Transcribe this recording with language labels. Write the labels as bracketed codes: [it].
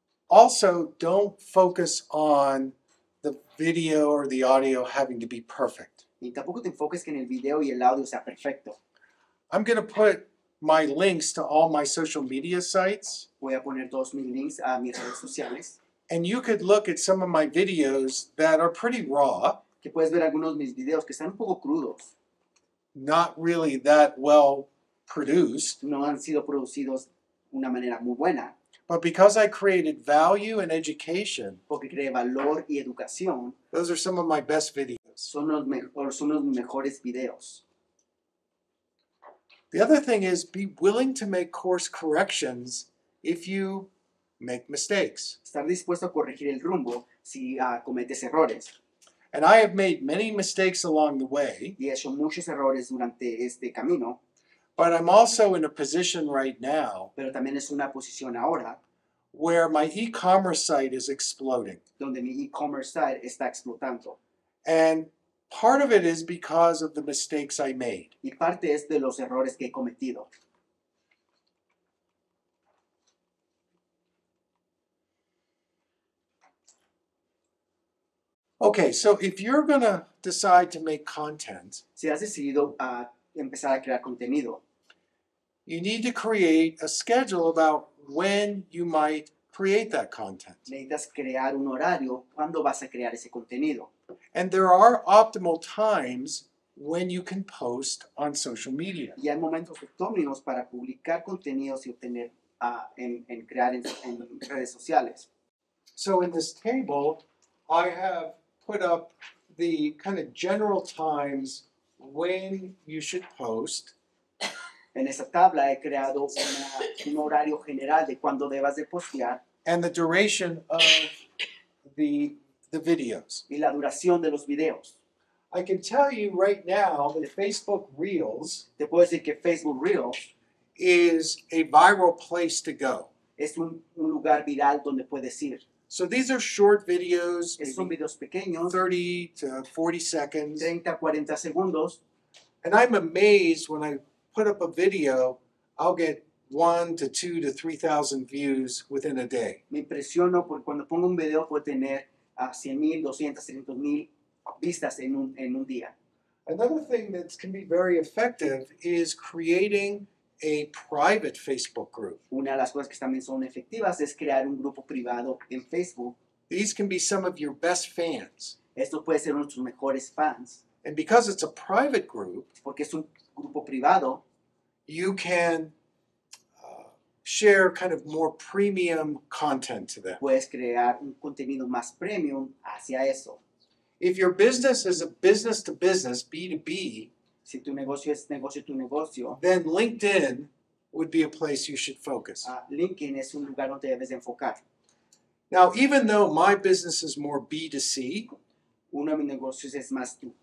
[en] Also, don't focus on the video or the audio having to be perfect. [es] Y tampoco te enfoques que en el video y el audio sea perfecto. [en] I'm going to put my links to all my social media sites. [es] Voy a poner todos mis links a mis redes sociales. [en] And you could look at some of my videos that are pretty raw. [es] Que puedes ver algunos de mis videos que están un poco crudos. [en] Not really that well produced. [es] No han sido producidos una manera muy buena. [en] But because I created value and education, [es] porque creé valor y educación, [en] those are some of my best videos. [es] Son los mejores videos. [en] The other thing is be willing to make course corrections if you make mistakes. [es] Estar dispuesto a corregir el rumbo si cometes errores. [en] And I have made many mistakes along the way. [es] Y he hecho muchos errores durante este camino. [en] But I'm also in a position right now. [es] Pero también es una posición ahora. [en] Where my e-commerce site is exploding. [es] Donde mi e-commerce site está explotando. [en] And part of it is because of the mistakes I made. [es] Y parte es de los errores que he cometido. [en] Okay, so if you're going to decide to make content, [es] si has decidido empezar a crear contenido, [en] you need to create a schedule about when you might create that content. [es] Necesitas crear un horario cuando vas a crear ese contenido. [en] And there are optimal times when you can post on social media. [es] Y hay momentos óptimos para publicar contenidos y obtener en crear en redes sociales. [en] So in this table, I have put up the kind of general times when you should post. [es] En esa tabla he creado un horario general de cuando debas de postear. [en] And the duration of the videos. [es] Y la duración de los videos. [en] I can tell you right now that Facebook Reels, [es] te puedo decir que Facebook Reels [en] is a viral place to go. [es] Es un lugar viral donde puedes ir. [en] So these are short videos, [es] son videos pequeños, [en] 30 to 40 seconds. [es] 30 a 40 segundos. [en] And I'm amazed when I put up a video, I'll get 1,000 to 2,000 to 3,000 views within a day. [es] Me impresiono porque cuando pongo un video puedo tener 100,000, 200,000, 300,000 vistas en un día. [en] Another thing that can be very effective is creating a private Facebook group. [es] Una de las cosas que también son efectivas es crear un grupo privado en Facebook. [en] These can be some of your best fans. [es] Esto puede ser uno de tus mejores fans. [en] And because it's a private group, [es] porque es un grupo privado, [en] you can share kind of more premium content to them. [es] Puedes crear un contenido más premium hacia eso. [en] If your business is a business to business, B2B, [es] si tu negocio es negocio tu negocio, [en] then LinkedIn would be a place you should focus. [es] LinkedIn es un lugar donde debes enfocar. [en] Now, even though my business is more B2C, [es] uno de mis negocios es más tu